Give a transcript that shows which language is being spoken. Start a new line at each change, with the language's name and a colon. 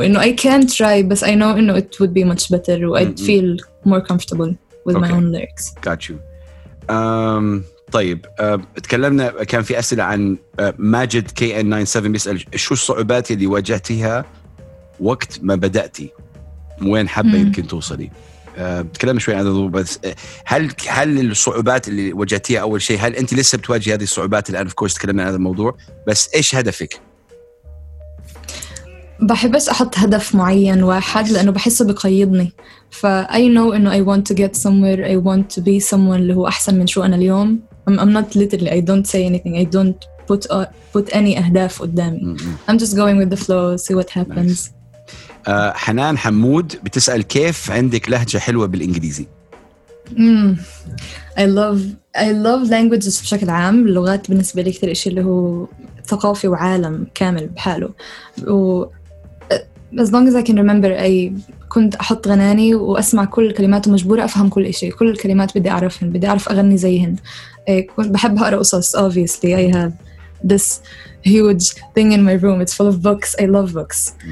English: You know, I can try, but I know, you know, it would be much better. I'd feel more comfortable with my own lyrics. Got you.
Arabic: طيب, تكلمنا, كان في أسئلة عن ماجد KN97 بيسأل, شو الصعوبات اللي واجهتيها وقت ما بدأتي, وين حابة يمكن توصلي؟ تكلمنا شوي عن هذا, بس هل الصعوبات اللي واجهتيها أول شيء, هل أنت لسه بتواجه هذه الصعوبات الآن؟ فكورس تكلمنا عن هذا الموضوع, بس إيش هدفك؟ بحب بس أحط هدف معين واحد, لأنه بحسه بقيدني.
English: ف I know إنه I want to get somewhere, I want to be someone
Arabic: اللي هو أحسن من شو أنا اليوم.
English: I'm not literally, I don't say anything, I don't put any
Arabic: أهداف قدامي.
English: I'm just going with the flow, see what happens. Nice.
Arabic: حنان حمود بتسأل, كيف عندك لهجة حلوة بالإنجليزي؟
English: I love languages
Arabic: بشكل عام. اللغات بالنسبة لي كثير إشي اللي هو ثقافي وعالم كامل بحاله. و
English: as long as I can remember, I
Arabic: كنت أحط غناني وأسمع كل الكلمات ومجبورة أفهم كل إشي. كل الكلمات بدي أعرفهن, بدي أعرف أغني زيهن. كنت بحب أقرأ قصص.
English: Obviously I have this huge thing in my room, it's full of books. I love books.